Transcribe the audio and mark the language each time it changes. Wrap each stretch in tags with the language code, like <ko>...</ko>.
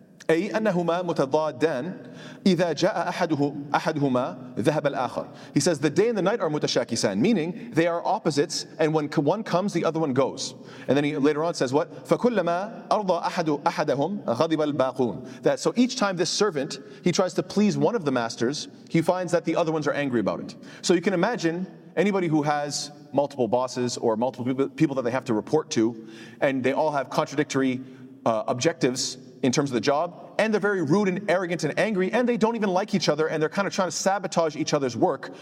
<ar>أي أنهما متضادان إذا جاء أحدهما ذهب الآخر.</ar> <en>He says the day and the night are متشاكسان, meaning they are opposites, and when one comes, the other one goes. And then he later on says what?</en> <ar>فكلما أرضى أحدهم غضب الباقون.</ar> <en>That so each time this servant he tries to please one of the masters, he finds that the other ones are angry about it. So you can imagine anybody who has multiple bosses or multiple people that they have to report to, and they all have contradictory objectives in terms of the job, and they're very rude and arrogant and angry, and they don't even like each other, and they're kind of trying to sabotage each other's work.</en>